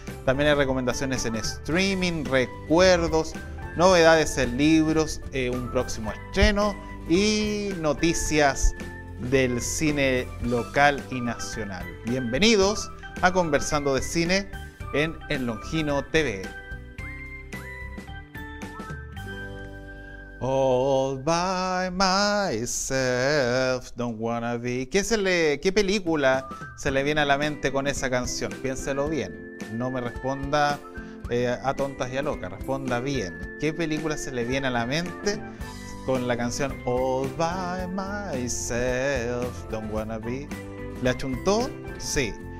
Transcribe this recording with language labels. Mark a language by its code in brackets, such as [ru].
[es] También hay recomendaciones en streaming, recuerdos, novedades en libros, un próximo estreno y noticias del cine local y nacional. Bienvenidos a Conversando de Cine en El Longino TV. [en] All by myself, don't wanna be. [es] ¿Qué película se le viene a la mente con esa canción? Piénselo bien, no me responda a tontas y a locas, responda bien. ¿Qué película se le viene a la mente con la canción [en] All by myself, don't wanna be? [es] ¿Le achuntó? Sí.